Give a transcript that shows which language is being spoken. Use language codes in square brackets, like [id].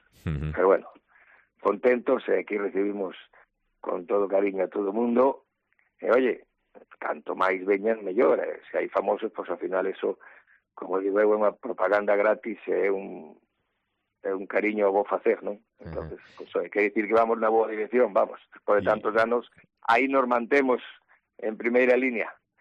[es] Pero bueno, contentos, aquí recibimos con todo cariño a todo mundo. [gl] E oye, canto máis veñan, mellor. [es] Si hay famosos, pues al final eso, como digo, [gl] é unha propaganda gratis, un cariño a vos facer, ¿no? [es] Entonces, pues, quiere decir que vamos en la buena dirección, vamos. Después de tantos años, ahí [gl] nos mantemos [es] en primera línea.